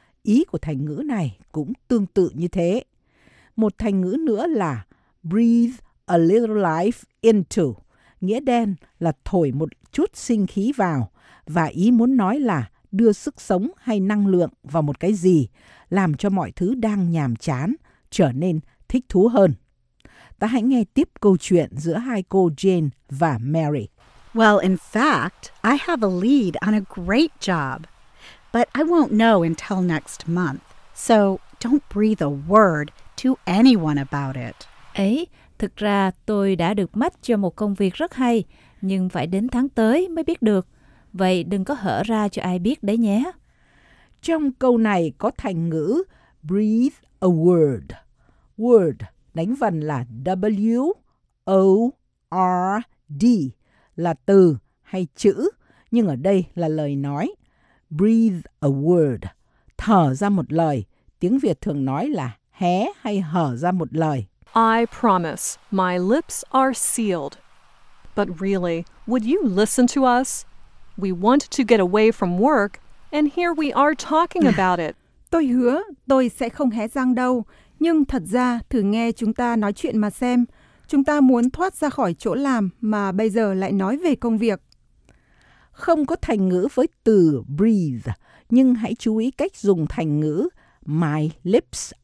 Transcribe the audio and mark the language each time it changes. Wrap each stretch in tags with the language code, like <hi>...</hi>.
<vi>Ý của thành ngữ này cũng tương tự như thế. Một thành ngữ nữa là</vi> <en>breathe a little life into,</en> <vi>nghĩa đen là thổi một chút sinh khí vào, và ý muốn nói là đưa sức sống hay năng lượng vào một cái gì, làm cho mọi thứ đang nhàm chán trở nên thích thú hơn. Ta hãy nghe tiếp câu chuyện giữa hai cô Jane và Mary.</vi> <en>Well, in fact, I have a lead on a great job, but I won't know until next month, so don't breathe a word to anyone about it.</en> <vi>Ấy, thực ra tôi đã được match cho một công việc rất hay, nhưng phải đến tháng tới mới biết được. Vậy đừng có hở ra cho ai biết đấy nhé. Trong câu này có thành ngữ</vi> <en>breathe a word.</en> <vi>Word, đánh vần là W-O-R-D, là từ hay chữ, nhưng ở đây là lời nói.</vi> <en>Breathe a word,</en> <vi>thở ra một lời, tiếng Việt thường nói là hé hay hở ra một lời.</vi> <en>I promise my lips are sealed. But really, would you listen to us? We want to get away from work, and here we are talking about it.</en> <vi>Tôi hứa tôi sẽ không hé răng đâu, nhưng thật ra thử nghe chúng ta nói chuyện mà xem. Chúng ta muốn thoát ra khỏi chỗ làm mà bây giờ lại nói về công việc. Không có thành ngữ với từ breathe, nhưng hãy chú ý cách dùng thành ngữ my lips</vi>